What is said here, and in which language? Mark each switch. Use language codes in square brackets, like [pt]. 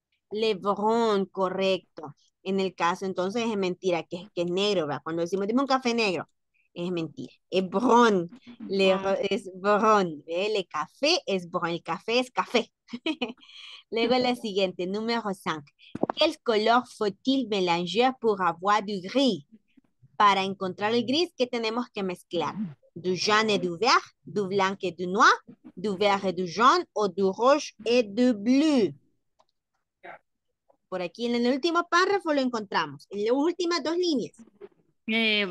[es] Lebrón, correcto. En el caso, entonces es mentira, que es negro, ¿verdad? Cuando decimos, dime un café negro, es mentira. Es bron. Es bron. El café es bron. El café es café. Luego la siguiente, número 5. [fr] ¿Qué color faut-il mélanger pour avoir du gris? [es] Para encontrar el gris, ¿qué tenemos que mezclar? [fr] ¿Du jaune et du vert? ¿Du blanc et du noir? ¿Du vert et du jaune? ¿O du rouge et du bleu? [es] Por aquí en el último párrafo lo encontramos. En las últimas dos líneas.